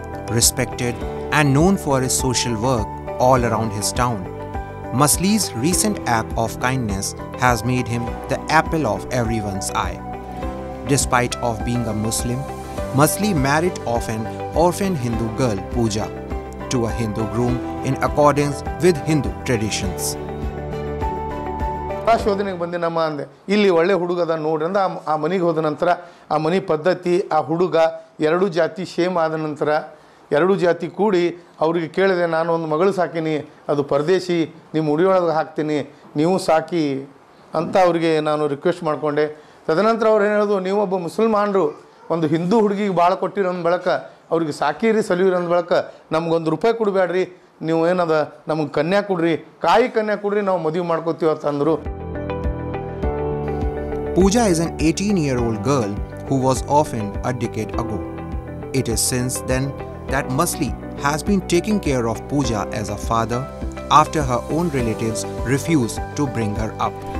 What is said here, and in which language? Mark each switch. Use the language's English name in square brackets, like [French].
[English] Respected and known for his social work all around his town, Masli's recent act of kindness has made him the apple of everyone's eye. Despite of being a Muslim, Masli married off an orphan Hindu girl, Pooja, to a Hindu groom in accordance with Hindu traditions. [Kannada] ಆ ಶೋಧನೆಗೆ ಬಂದೆ ನಮ್ಮ ಅಂದೆ ಇಲ್ಲಿ ಒಳ್ಳೆ ಹುಡುಗ ಅದ ನೋಡ್ರಿ ಅಂದ ಆ ಮನೆಗೆ ಹೋದ ನಂತರ ಆ ಮನೆ ಪದ್ಧತಿ ಆ ಹುಡುಗ ಎರಡು ಜಾತಿ ಸೇಮ್ ಆದ ನಂತರ ಎರಡು ಜಾತಿ ಕೂಡಿ ಅವರಿಗೆ ಕೇಳಿದೆ ನಾನು ಒಂದು ಮಗಳು ಸಾಕೀನಿ ಅದು ಪರದೇಶಿ ನಿಮ್ಮ ಉಡಿಯೊಳಗೆ ಹಾಕ್ತೀನಿ ನೀವು ಸಾಕಿ ಅಂತ ಅವರಿಗೆ ನಾನು ರಿಕ್ವೆಸ್ಟ್ ಮಾಡಿಕೊಂಡೆ ತದನಂತರ ಅವ್ರು ಏನು ಹೇಳೋದು ನೀವೊಬ್ಬ ಮುಸಲ್ಮಾನರು ಒಂದು ಹಿಂದೂ ಹುಡುಗಿಗೆ ಭಾಳ ಕೊಟ್ಟಿರೋ ಒಂದು ಬಳಕ ಅವ್ರಿಗೆ ಸಾಕೀರಿ ಸಲಿಯೂರಿ ಅಂದ ಬಳಕ ನಮಗೊಂದು ರೂಪಾಯಿ ಕೊಡಬೇಡ್ರಿ ನೀವು ಏನದ ನಮಗೆ ಕನ್ಯಾ ಕೊಡ್ರಿ ಕಾಯಿ ಕನ್ಯಾ ಕೊಡ್ರಿ ನಾವು ಮದುವೆ ಮಾಡ್ಕೋತೀವಿ ಅಂತಂದರು [English] Pooja is an 18-year-old girl who was orphaned a decade ago. It is since then that Masli has been taking care of Pooja as a father after her own relatives refused to bring her up.